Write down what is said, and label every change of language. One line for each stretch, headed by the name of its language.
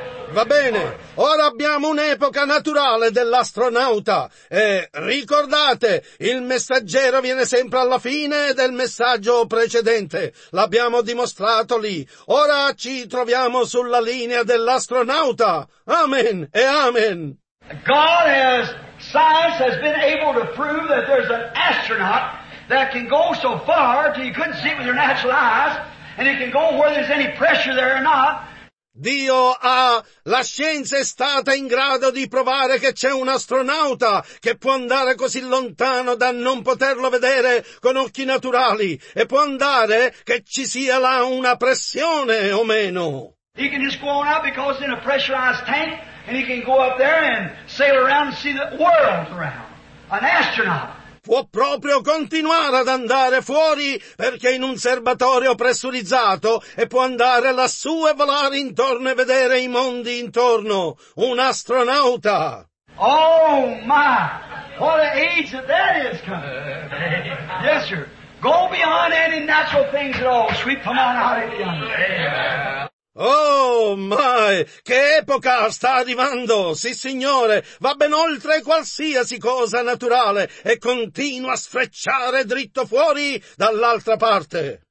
Italian: Va bene, ora abbiamo un'epoca naturale dell'astronauta e ricordate, il messaggero viene sempre alla fine del messaggio precedente, l'abbiamo dimostrato lì, ora ci troviamo sulla linea dell'astronauta, amen e amen.
English: God has, science has been able to prove that there's an astronaut that can go so far that you couldn't see it with your natural eyes, and it can go where there's any pressure there or not.
Italian: Dio ha, la scienza è stata in grado di provare che c'è un astronauta che può andare così lontano da non poterlo vedere con occhi naturali e può andare che ci sia là una pressione o meno.
English: He can just go on out because in a pressurized tank and he can go up there and sail around and see the world around. An astronaut.
Italian: Può proprio continuare ad andare fuori perché in un serbatoio pressurizzato e può andare lassù e volare intorno e vedere i mondi intorno. Un astronauta.
English: Oh my, what an age that is coming. Yes, sir. Go beyond any natural things at all. Sweep them on out of yonder. Oh, my!
Italian: Che epoca sta arrivando! Sì, signore, va ben oltre qualsiasi cosa naturale e continua a sfrecciare dritto fuori dall'altra parte.